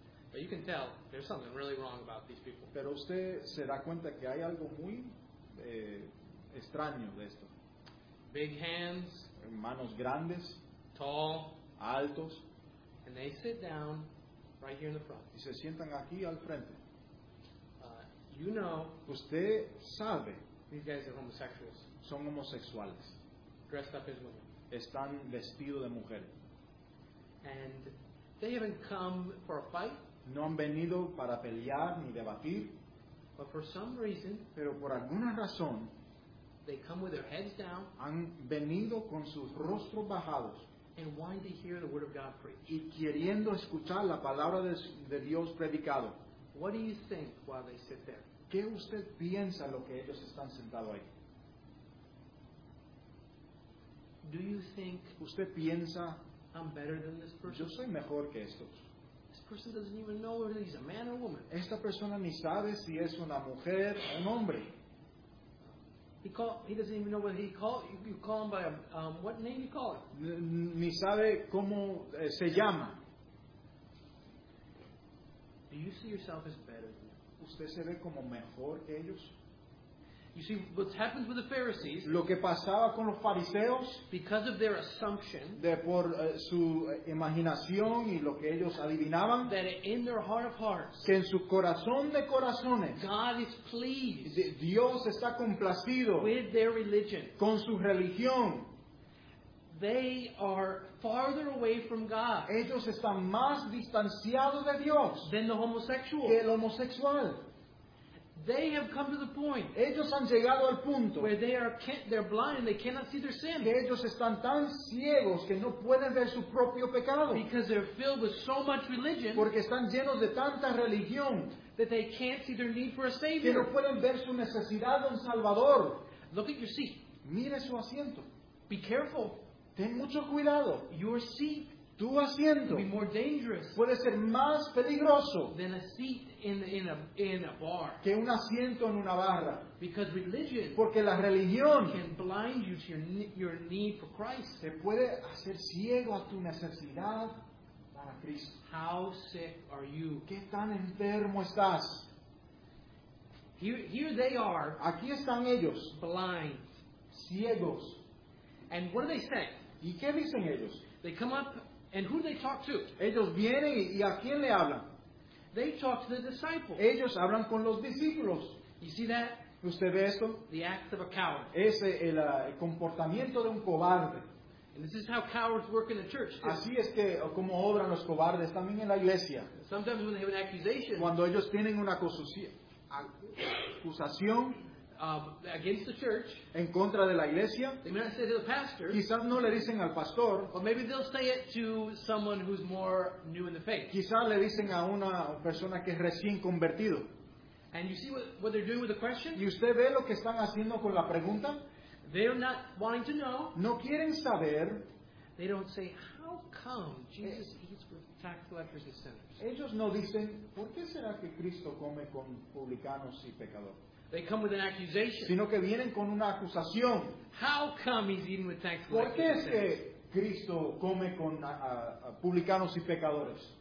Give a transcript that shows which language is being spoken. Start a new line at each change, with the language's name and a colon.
English: but you can tell there's something really wrong about these people.
Spanish: Pero usted se da cuenta que hay algo muy extraño de esto.
English: Big hands,
Spanish: manos grandes.
English: Tall,
Spanish: altos,
English: and they sit down right here in the front.
Spanish: Y se sientan aquí al frente.
English: You know,
Spanish: usted sabe,
English: these guys are homosexuals.
Spanish: Son homosexuales.
English: Dressed up as women.
Spanish: Están vestidos de mujer.
English: And they haven't come for a fight.
Spanish: No han venido para pelear ni debatir.
English: But for some reason,
Spanish: pero por alguna razón,
English: they come with their heads down.
Spanish: Han venido con sus rostros bajados.
English: And wanting to hear the word of God preached.
Spanish: Y queriendo escuchar la palabra de Dios predicado.
English: What do you think while they sit there?
Spanish: ¿Qué usted piensa lo que ellos están sentados ahí?
English: Do you think
Spanish: usted piensa,
English: I'm better than this person?
Spanish: Yo soy mejor que estos.
English: This person doesn't even know whether he's a man or a woman.
Spanish: Esta persona ni sabe si es una mujer o un hombre.
English: He doesn't even know what he called. You call him by what name you call him.
Spanish: Ni sabe cómo se llama.
English: Do you see yourself as better than them?
Spanish: ¿Usted se ve como mejor que ellos?
English: You see what happens with the Pharisees.
Spanish: Lo que pasaba con los fariseos.
English: Because of their assumption.
Spanish: De por su imaginación y lo que ellos adivinaban.
English: That in their heart of hearts.
Spanish: Que en su corazón de corazones.
English: God is pleased.
Spanish: Dios está complacido.
English: With their religion.
Spanish: Con su religión.
English: They are farther away from God.
Spanish: Ellos están más distanciados de Dios.
English: Than the homosexual.
Spanish: Que el homosexual.
English: They have come to the point.
Spanish: Ellos han llegado al punto
English: where they're blind and they cannot see their sin.
Spanish: Que ellos están tan ciegos que no pueden ver su propio pecado.
English: Because they're filled with so much religion.
Spanish: Porque están llenos de tanta religión
English: that they can't see their need for a savior.
Spanish: Que no pueden ver su necesidad de un salvador.
English: Look at your seat.
Spanish: Mire su asiento.
English: Be careful.
Spanish: Ten mucho cuidado.
English: Your seat
Spanish: tu asiento puede ser más peligroso
English: than a seat in a bar.
Spanish: Que un asiento en una barra.
English: Because religion,
Spanish: porque la religión,
English: can blind you to your need for Christ.
Spanish: Te puede hacer ciego a tu necesidad para Cristo.
English: How sick are you?
Spanish: ¿Qué tan enfermo estás?
English: Here they are.
Spanish: Aquí están ellos.
English: Blind.
Spanish: Ciegos.
English: And what do they say?
Spanish: ¿Y qué dicen ellos?
English: They come up, and who do they talk to?
Spanish: Ellos vienen y ¿a quién le hablan?
English: They talk to the disciples.
Spanish: Ellos hablan con los discípulos.
English: You see that?
Spanish: ¿Usted ve esto?
English: The act of a coward.
Spanish: Es el comportamiento de un cobarde.
English: And this is how cowards work in the church. Too.
Spanish: Así es que como obran los cobardes también en la iglesia.
English: Sometimes when they have an accusation.
Spanish: Cuando ellos tienen una acusación.
English: Against the church,
Spanish: en contra de la iglesia,
English: they may not say to the pastor,
Spanish: quizás no le dicen al pastor,
English: but maybe they'll say it to someone who's more new in the faith.
Spanish: Quizás le dicen a una persona que es recién convertido.
English: And you see what they're doing with the question?
Spanish: ¿Y usted ve lo que están haciendo con la pregunta?
English: They're not wanting to know.
Spanish: No quieren saber.
English: They don't say, how come Jesus eats with tax collectors and sinners?
Spanish: Ellos no dicen, ¿por qué será que Cristo come con publicanos y pecadores?
English: They come with an accusation.
Spanish: Sino que vienen con una acusación.
English: How come he's eating with tax collectors?
Spanish: ¿Por qué es que Cristo come con publicanos y pecadores?